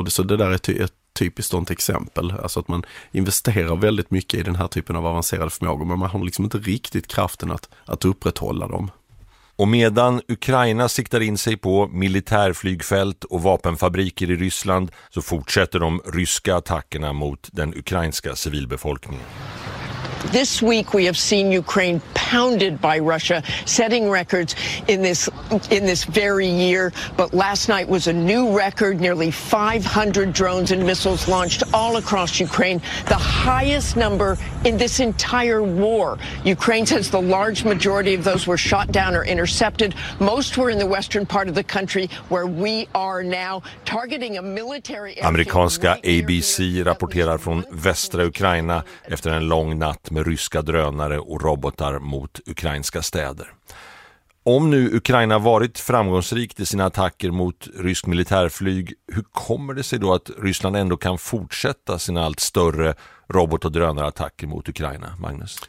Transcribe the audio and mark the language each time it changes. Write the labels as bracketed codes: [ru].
[sv] Och så det där är ett typiskt sånt exempel, alltså att man investerar väldigt mycket i den här typen av avancerade förmågor, men man har liksom inte riktigt kraften att upprätthålla dem. Och medan Ukraina siktar in sig på militärflygfält och vapenfabriker i Ryssland, så fortsätter de ryska attackerna mot den ukrainska civilbefolkningen. [en] This week we have seen Ukraine pounded by Russia, setting records in this very year. But last night was a new record, nearly 500 drones and missiles launched all across Ukraine, the highest number in this entire war. Ukraine says the large majority of those were shot down or intercepted. Most were in the western part of the country where we are now targeting a military... [sv] Amerikanska ABC rapporterar från västra Ukraina efter en lång natt med ryska drönare och robotar mot ukrainska städer. Om nu Ukraina varit framgångsrikt i sina attacker mot rysk militärflyg, hur kommer det sig då att Ryssland ändå kan fortsätta sina allt större robot- och drönarattacker mot Ukraina, Magnus?